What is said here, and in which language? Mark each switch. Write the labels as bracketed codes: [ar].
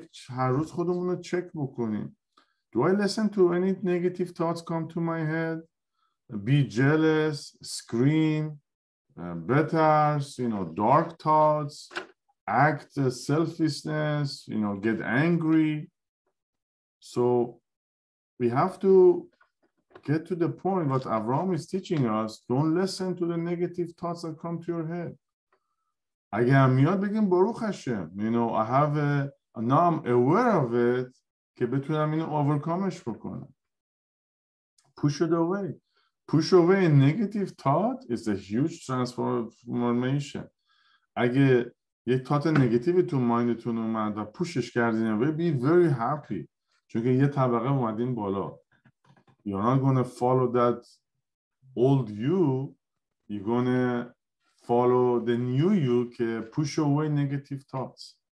[fa] هر روز خودمون رو check بکنیم. [en] Do I listen to any negative thoughts come to my head? Be jealous, scream, bitterness, you know, dark thoughts, act selfishness, you know, get angry. So we have to get to the point what Avram is teaching us. Don't listen to the negative thoughts that come to your head. [fa] اگه هم میاد بگیم بروخ هشم. [en] You know, I have a, now I'm aware of it [fa] که بتونم اینو overcomeش بکنم. [en] Push it away. Push away a negative thought is a huge transformation. [fa] اگه یه thought negative تو mindتون اومد و پوشش کردین away, [en] be very happy. [fa] چون که یه طبقه اومدین بالا. [en] You're not going to follow that old you. You're going to follow the new you که push away negative thoughts.